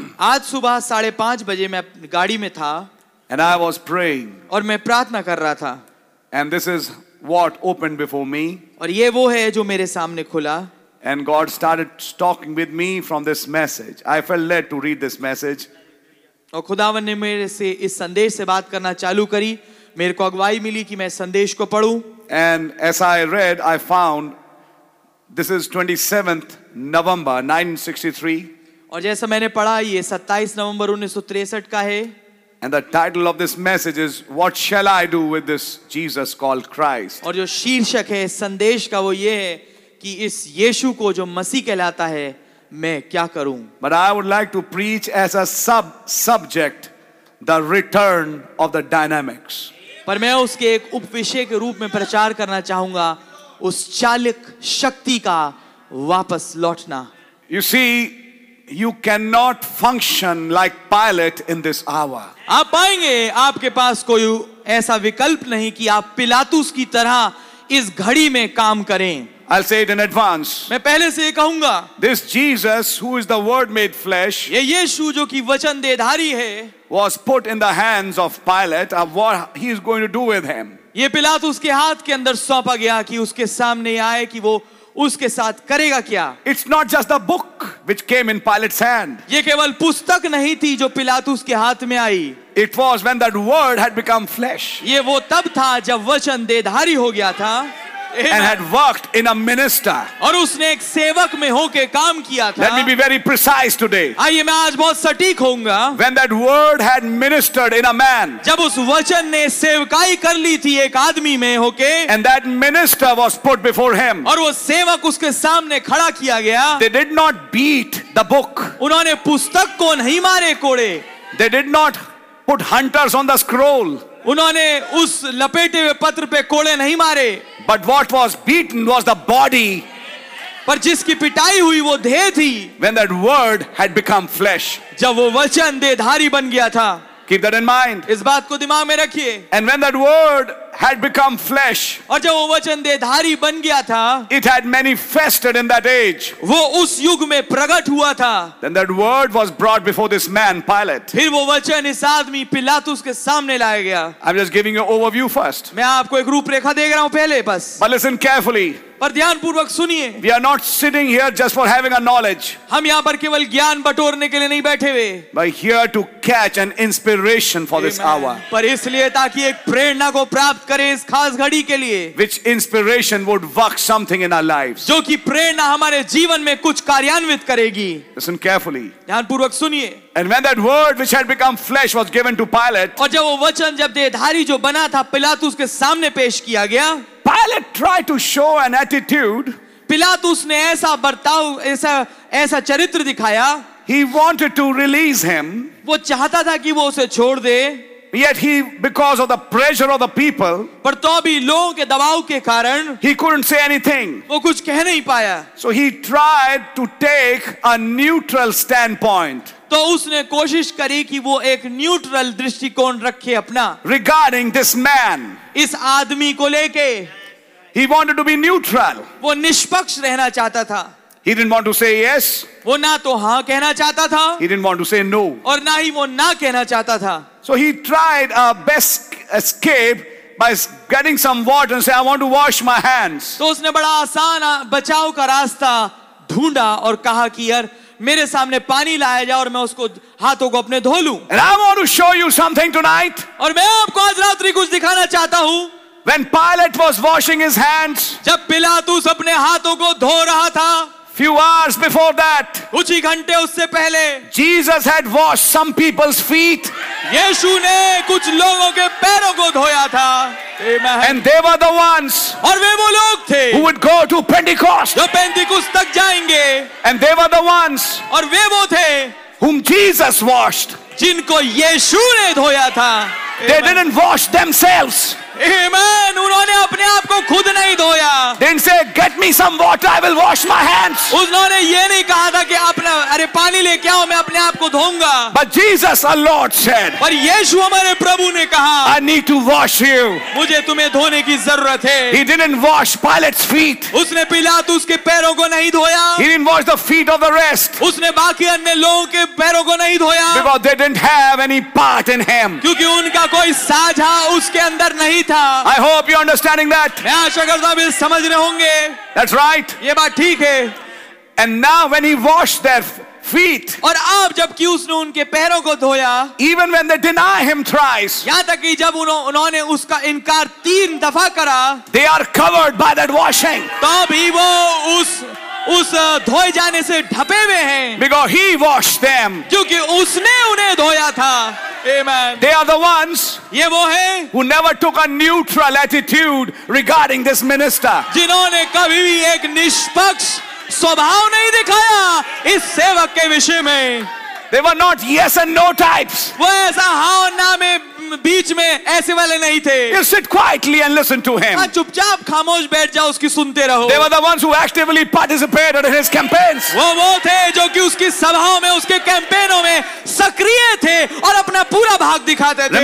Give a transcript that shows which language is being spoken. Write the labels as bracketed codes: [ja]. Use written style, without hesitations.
[hi] आज सुबह 5:30 बजे मैं गाड़ी में था. [en] And I was praying. [hi] और मैं प्रार्थना कर रहा था. [en] And this is what opened before me. [hi] और ये वो है जो मेरे सामने खुला. [en] And God started talking with me from this message. I felt led to read this message. [hi] और खुदावन ने मेरे से इस संदेश से बात करना चालू करी. मेरे को अगुवाई मिली कि मैं संदेश को पढूं. [en] And as I read, I found this is 27th November 1963. [hi] और जैसा मैंने पढ़ा ये 27 नवंबर 1963 का है. [en] And the title of this message is, "What shall I do with this Jesus called Christ?" [hi] और जो शीर्षक है संदेश का वो ये है. कि इस यीशु को जो मसीह कहलाता है मैं क्या करूं. [en] But I would like to preach as a sub subject the return of the dynamics. [hi] पर मैं उसके एक उपविषय के रूप में प्रचार करना चाहूंगा उस चालक शक्ति का वापस लौटना. [en] You see, you cannot function like Pilate in this hour. [hi] आप पाएंगे आपके पास कोई ऐसा विकल्प नहीं कि आप पिलातुस की तरह इस घड़ी में काम करें. [en] I'll say it in advance. [hi] मैं पहले से ये कहूंगा. [en] This Jesus, who is the Word made flesh, [hi] ये यीशु जो कि वचन देहधारी है, [en] was put in the hands of Pilate. Of what he is going to do with him? [hi] ये पिलातुस उसके हाथ के अंदर सौंपा गया कि उसके सामने आए कि वो उसके साथ करेगा क्या? [en] It's not just the book which came in Pilate's hand. [hi] ये केवल पुस्तक नहीं थी जो पिलातुस के हाथ में आई. [en] It was when that Word had become flesh. [hi] ये वो तब था जब वचन देहधारी हो गया था. [en] Amen. And had worked in a minister. [hi] और उसने एक सेवक में होके काम किया था. [en] Let me be very precise today. [hi] आइए मैं आज बहुत सटीक होऊंगा. [en] When that word had ministered in a man. [hi] जब उस वचन ने सेवकाई कर ली थी एक आदमी में होके. [en] And that minister was put before him. [hi] और वो सेवक उसके सामने खड़ा किया गया. [en] They did not beat the book. [hi] उन्होंने पुस्तक को नहीं मारे कोड़े. [en] They did not put hunters on the scroll. [hi] उन्होंने उस लपेटे हुए पत्र पे कोड़े नहीं मारे. [en] But what was beaten was the body. [hi] पर जिसकी पिटाई हुई वो देह थी. [en] When that word had become flesh. [hi] जब वो वचन देहधारी बन गया था. [en] Keep that in mind. [hi] इस बात को दिमाग में रखिए. [en] And when that word had become flesh. [hi] और जब वो वचन देहधारी बन गया था, [en] it had manifested in that age. [hi] वो उस युग में प्रकट हुआ था. [en] Then that word was brought before this man, Pilate. [hi] फिर वो वचन इस आदमी पिलातुस के सामने लाया गया. [en] I'm just giving you overview first. [hi] मैं आपको एक रूपरेखा दे रहा हूँ पहले बस. [en] But listen carefully. [hi] पर ध्यान पूर्वक सुनिए. [en] We are not sitting here just for having a knowledge. [hi] हम यहाँ पर केवल ज्ञान बटोरने के लिए नहीं बैठे हुए. [en] But here to catch an inspiration for this hour. [hi] पर इसलिए ताकि एक प्रेरणा को प्राप्त करें इस खास घड़ी के लिए. [en] Which inspiration would work something in our lives. [hi] जो कि प्रेरणा हमारे जीवन में कुछ कार्यान्वित करेगी. [en] Listen carefully. [hi] ध्यान पूर्वक सुनिए. [en] And when that word which had become flesh was given to Pilate. [hi] और जब वो वचन जब देहधारी जो बना था पिलातुस के सामने पेश किया गया. [en] Pilate tried to show an attitude. [hi] पिलातुस ने ऐसा बर्ताव ऐसा ऐसा चरित्र दिखाया. [en] He wanted to release him. [hi] वो चाहता था कि वो उसे छोड़ दे. [en] Yet he, because of the pressure of the people, [hi] पर तो भी लोगों के दबाव के कारण, [en] he couldn't say anything. [hi] वो कुछ कह नहीं पाया. [en] So he tried to take a neutral standpoint. [hi] तो उसने कोशिश करी कि वो एक न्यूट्रल दृष्टिकोण रखे अपना. [en] Regarding this man, [hi] इस आदमी को लेके, [en] he wanted to be neutral. [hi] वो निष्पक्ष रहना चाहता था. [en] He didn't want to say yes. [hi] वो ना तो हाँ कहना चाहता था. [en] He didn't want to say no. [hi] और ना ही वो ना कहना चाहता था. [en] So he tried a best escape by getting some water and say, I want to wash my hands. [hi] तो उसने बड़ा आसान बचाव का रास्ता ढूंढा और कहा कि यार मेरे सामने पानी लाया जाए और मैं उसको हाथों को अपने धो लूं. [en] And I want to show you something tonight. [hi] और मैं आपको आज रात्रि कुछ दिखाना चाहता हूँ. [en] When Pilate was washing his hands, [hi] जब पिलातुस अपने हाथों को धो रहा था. [en] Few hours before that, [hi] कुछ ही घंटे उससे पहले, [en] Jesus had washed some people's feet. [hi] यीशु ने कुछ लोगों के पैरों को धोया था. [en] And they were the ones, [hi] और वे वो लोग थे, [en] who would go to Pentecost. [hi] जो पेंटिकुस तक जाएंगे. [en] And they were the ones, [hi] और वे वो थे, [en] whom Jesus washed. [hi] जिनको यीशु ने धोया था. [en] They didn't wash themselves. Amen. [hi] उन्होंने अपने आप को खुद नहीं धोया. [en] Didn't say, get me some water, I will wash my hands. [hi] उन्होंने ये नहीं कहा था कि अपना अरे पानी लेके आओ मैं अपने आप को धोऊंगा. [en] But Jesus our Lord said, [hi] पर यीशु हमारे प्रभु ने कहा, [en] I need to wash you. [hi] मुझे तुम्हें धोने की जरूरत है. [en] He didn't wash Pilate's feet. [hi] उसने पिलातुस के पैरों को नहीं धोया. [en] He didn't wash the feet of the rest. [hi] उसने बाकी अन्य लोगों के पैरों को नहीं धोया. [en] Because they didn't have any part in him. [hi] क्योंकि उनका कोई साझा उसके अंदर नहीं. [en] I hope you're understanding that. [hi] मैं आशा करता हूँ आप इसे समझ रहे होंगे. [en] That's right. [hi] ये बात ठीक है. [en] And now when he washed their feet. [hi] और अब जबकि उसने उनके पैरों को धोया. [en] Even when they deny him thrice. [hi] यहाँ तक कि जब उन्होंने उसका इनकार तीन दफा करा. [en] They are covered by that washing. [hi] तब ही वो उस धोए जाने से ढपे हुए हैं. [en] Because he washed them. [hi] क्योंकि उसने उन्हें धोया था. [en] Amen. They are the ones, [hi] ये वो हैं, [en] who never took a neutral attitude regarding this minister. [hi] जिन्होंने कभी भी एक निष्पक्ष स्वभाव नहीं दिखाया इस सेवक के विषय में. [en] They were not yes and no types. [hi] वो ऐसा हाँ और ना में बीच में ऐसे वाले नहीं थे. [en] You sit quietly and listen to him. [hi] हाँ चुपचाप खामोश बैठ जाओ उसकी सुनते रहो. [en] They were the ones who actively participated in his campaigns. [hi] वो थे जो कि उसकी सभाओं में उसके कैंपेनों में सक्रिय थे और अपना पूरा भाग दिखाते थे.